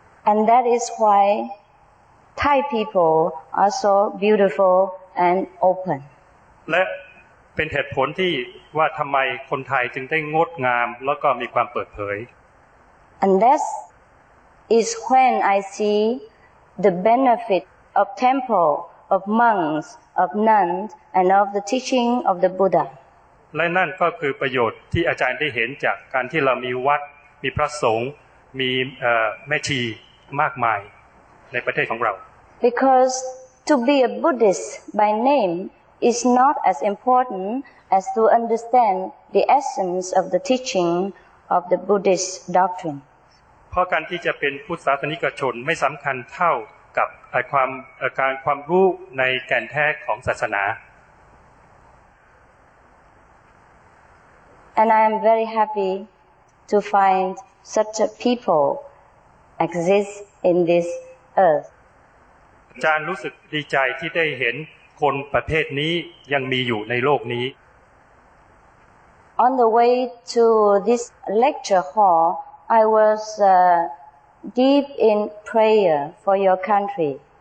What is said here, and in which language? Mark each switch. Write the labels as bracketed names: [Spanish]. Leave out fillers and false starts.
[English] And that is why Thai people are so beautiful and open [Thai] และเป็นเหตุผลที่ว่าทำไมคนไทยจึงได้งดงามแล้วก็มีความเปิดเผย [English] And that is when I see the benefit of templeOf monks, of nuns, and of the teaching of the Buddha. [Thai] และนั่นก็คือประโยชน์ที่อาจารย์ได้เห็นจากการที่เรามีวัดมีพระสงฆ์มีแม่ชีมากมายในประเทศของเรา [English] Because to be a Buddhist by name is not as important as to understand the essence of the teaching of the Buddhist doctrine. [Thai] เพราะการที่จะเป็นพุทธศาสนิกชนไม่สำคัญเท่ากับความการความรู้ในแก่นแท้ของศาสนา [English] And I am very happy to find such a people exist in this earth [Thai] อาจารย์รู้สึกดีใจที่ได้เห็นคนประเภทนี้ยังมีอยู่ในโลกนี้ [English] On the way to this lecture hall I wasDeep in prayer for your country.